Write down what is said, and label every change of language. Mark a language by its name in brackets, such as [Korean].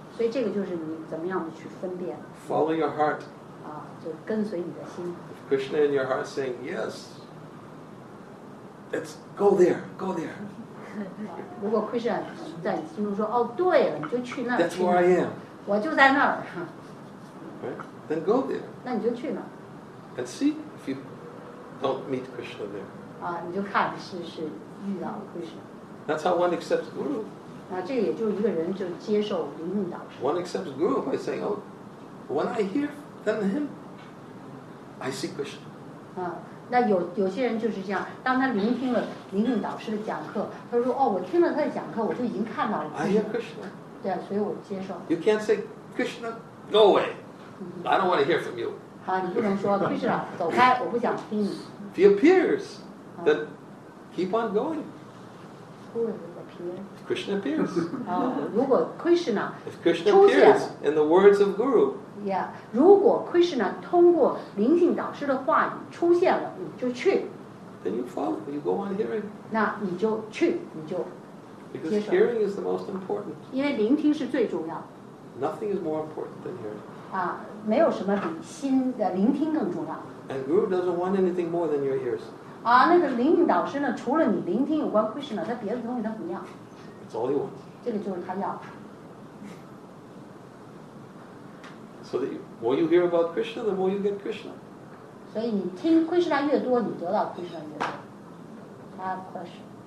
[Chinese] 所以这个就是你怎么样去分辨。 [English] Follow your heart. [Chinese] 啊，就跟随你的心。 [English] If Krishna in your heart saying yes, let's go there, go there. [Chinese] 如果 Krishna 在你心中说哦对了，你就去那儿。 [English] That's where I am. [Chinese] 我就在那儿。 [English] Right? Then go there. [Chinese] 那你就去那儿。 [English] And see if you don't meet Krishna there. [Chinese] 你就看是遇到了 [English] Krishna. That's how one accepts guru. [Chinese] 那这也就一个人就接受灵性导师。 [English] One accepts guru by saying, "Oh, when I hear from him, I see Krishna." [Chinese] 那有些人就是这样，当他聆听了灵性导师的讲课，他说：“哦，我听了他的讲课，我就已经看到了 [English] Krishna. I hear Krishna. [Chinese] 对，所以我接受。 [English] You can't say, "Krishna, go away. I don't want to hear from you." [Chinese] 你不能说 Krishna 走开，我不想听你。 [English] If he appears. Then keep on going. If Krishna appears. If Krishna appears in the words of Guru. [Chinese] Yeah. 如果 Krishna 通过灵性导师的话语出现了，你就去。 [English] Then you follow. You go on hearing. [Chinese] 那你就去，你就。 [English] Because hearing is the most important. [Chinese] 因为聆听是最重要。 [English] Nothing is more important than hearing. [Chinese] 没有什么比心的聆听更重要。 [English] And Guru doesn't want anything more than your ears. [Chinese] 那个灵性导师呢？除了你聆听有关 Krishna， 他别的东西他不要。 [English] It's all he wants. [Chinese] 这个就是他要的。 [English] So the more you hear about Krishna, the more you get Krishna. [Chinese] 所以你听 Krishna 越多，你得到 Krishna 越多。 [English] I have a question.